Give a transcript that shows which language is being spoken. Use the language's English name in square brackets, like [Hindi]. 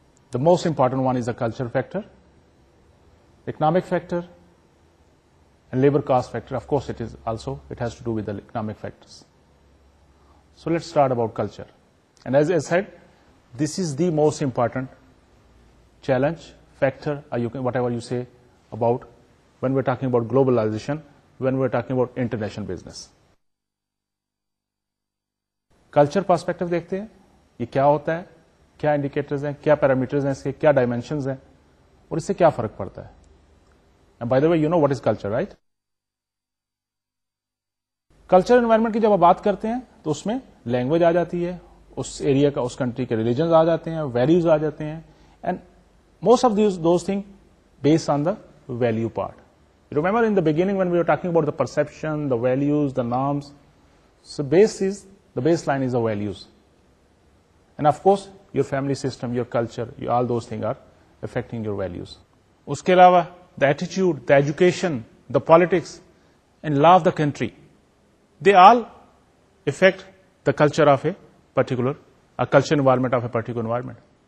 [English] The most important one is the culture factor, economic factor, and labor cost factor. Of course, it is also, it has to do with the economic factors. So let's start about culture. And as I said, this is the most important challenge, factor, or you can, whatever you say about when we're talking about globalization, when we're talking about international business. [Urdu] Culture perspective دیکھتے ہیں یہ کیا ہوتا ہے کیا indicators ہیں کیا parameters ہیں اس کے کیا dimensions ہیں اور اس سے کیا فرق پڑتا ہے [English] And by the way, you know what is culture, right? [Urdu] Culture environment کی جب آپ بات کرتے ہیں تو اس میں لینگویج آ جاتی ہے اس ایریا کا اس کنٹری کے ریلیجنز آ جاتے ہیں ویلوز آ جاتے ہیں [English] And most of these those thing based on the value part. Remember in the beginning when we were talking about the perception, the values, the norms, so the baseline is the values. And of course, your family system, your culture, all those things are affecting your values. [Urdu] Uske alawa, [English] the attitude, the education, the politics, and law of the country, they all affect the culture of a particular, a culture environment of a particular environment.